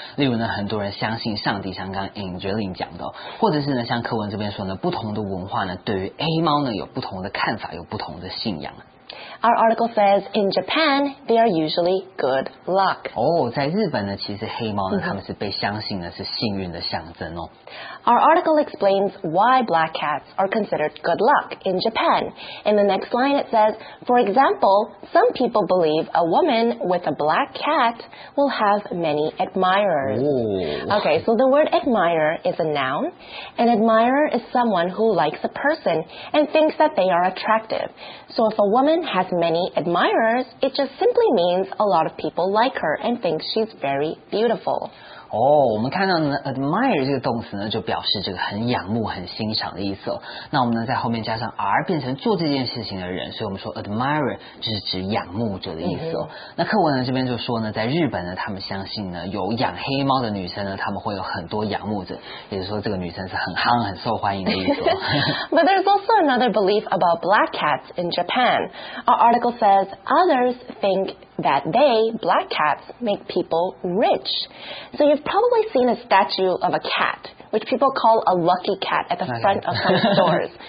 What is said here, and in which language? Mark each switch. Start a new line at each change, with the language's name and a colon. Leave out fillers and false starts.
Chinese: 例如呢很多人相信上帝，像刚 Angeline 讲的，或者是呢像柯文这边说呢，不同的文化呢对于 A 猫呢有不同的看法，有不同的信仰。
English: Our article says, in Japan, they are usually good luck.
Chinese: Oh, 在日本呢，其实黑猫呢，他们是被相信的是幸运的象征哦。
English: Our article explains why black cats are considered good luck in Japan. In the next line, it says, for example, some people believe a woman with a black cat will have many admirers. Ooh. Okay, so the word admirer is a noun. An admirer is someone who likes a person and thinks that they are attractive. So if a woman has many admirers, it just simply means a lot of people like her and think she's very beautiful.
Chinese: 哦，我们看到呢 ，admire 这个动词呢，就表示这个很仰慕、很欣赏的意思哦。那我们呢，在后面加上 r， 变成做这件事情的人，所以我们说 admirer 就是指仰慕者的意思哦。那课文呢这边就说呢，在日本呢，他们相信呢，有养黑猫的女生呢，他们会有很多仰慕者，也就是说这个女生是很夯、很受欢迎的意思、哦。
English: But there's also another belief about black cats in Japan. Our article says others think. That they, black cats, make people rich. So you've probably seen a statue of a cat, which people call a lucky cat at the front of some stores.